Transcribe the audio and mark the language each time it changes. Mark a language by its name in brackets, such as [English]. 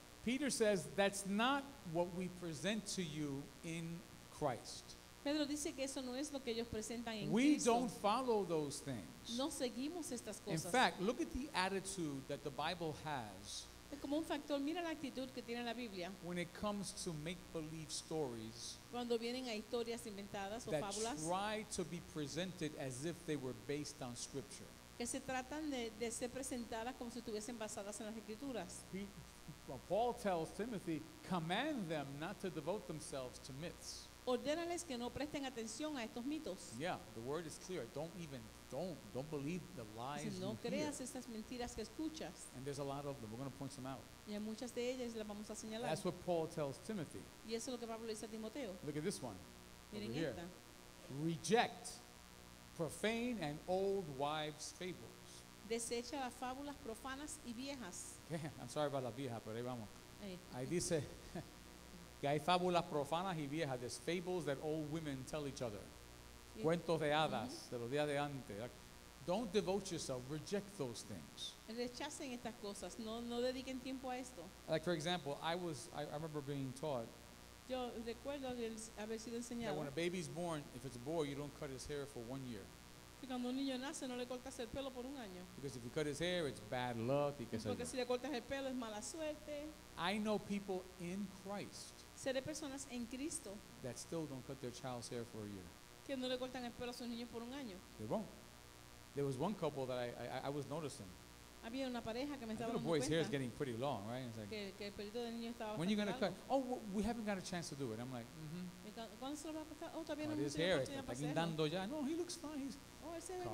[English] Peter says that's not what we present to you in Christ. [Spanish] Pedro dice que eso no es lo que ellos presentan en [English] we [Spanish] Cristo. [English] Don't follow those things. [Spanish] No seguimos estas cosas. [English] In fact, look at the attitude that the Bible has. [Spanish] Es como un factor. Mira la actitud que tiene la Biblia. [English] When it comes to make-believe stories, [Spanish] cuando vienen a historias inventadas o [English] that [Spanish] fábulas, [English] try to be presented as if they were based on Scripture. [Spanish] Que se tratan de ser presentadas como si estuviesen basadas en las Escrituras. [English] Well, Paul tells Timothy, command them not to devote themselves to myths. [Spanish] Ordénales que no presten atención a estos mitos. [English] Yeah, the word is clear. Don't believe the lies. [Spanish] No creas [English] hear. [Spanish] Estas mentiras que escuchas. [English] And there's a lot of them. We're going to point some out. [Spanish] Y hay muchas de ellas las vamos a señalar. [English] That's what Paul tells Timothy. [Spanish] Y eso es lo que Pablo dice a Timoteo. [English] Look at this one. [Spanish] Miren [English] over [Spanish] esta. [English] Here. Reject profane and old wives' fables. [Spanish] Desecha las fábulas profanas y viejas. [English] Okay, I'm sorry about [Spanish] la vieja, pero ahí vamos. Ahí dice. Que hay fábulas profanas y viejas. [English] There's fables that old women tell each other. Yeah. [Spanish] Cuentos de hadas, mm-hmm. de los días de antes. [English] Don't devote yourself. Reject those things. [Spanish] Rechacen estas cosas. No dediquen tiempo a esto. [English] Like, for example, I remember being taught. [Spanish] Yo recuerdo haber sido enseñado. [English] That when a baby's born, if it's a boy, you don't cut his hair for 1 year. [Spanish] Que cuando un niño nace, no le cortas el pelo por un año. [English] Because if you cut his hair, it's bad luck. [Spanish] Y que porque si le cortas el pelo, es mala suerte. [English] I know people in Christ [Spanish] seré personas en Cristo [English] that still don't cut their child's hair for a year. [Spanish] Que no le cortan el pelo a sus niños por un año. [English] They won't. There was one couple that I was noticing. [Spanish] Había una pareja que me estaba dando cuenta. [English] The boy's hair is getting pretty long, right? It's like, [Spanish] que el pelito del niño estaba. [English] When are you going to cut? Oh, we haven't got a chance to do it. I'm like, mm-hmm. [Spanish] ¿Cuándo se lo va a cortar? Oh, todavía no hemos tenido oportunidad para hacerlo. [English] Cut his hair. [Spanish] Está guindando ya. [English] No, he looks fine. He's [Spanish] oh, ese bebé